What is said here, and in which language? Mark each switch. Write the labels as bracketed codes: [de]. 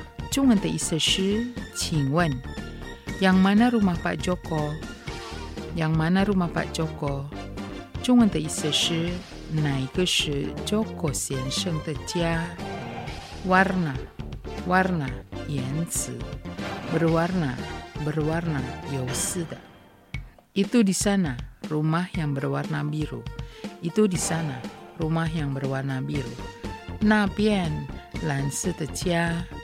[zh] 中文的意思是请问 [id] Yang mana rumah Pak Joko? Yang mana rumah Pak Joko? [zh] 中文的意思是哪一个是 Joko 先生的家？ [id] Warna, warna, [zh] 言辞 [id] Berwarna, berwarna, [zh] 有色的 [id] Itu di sana. Rumah yang berwarna biru. Itu di sana. Rumah yang berwarna biru. [zh] 那边蓝色的家。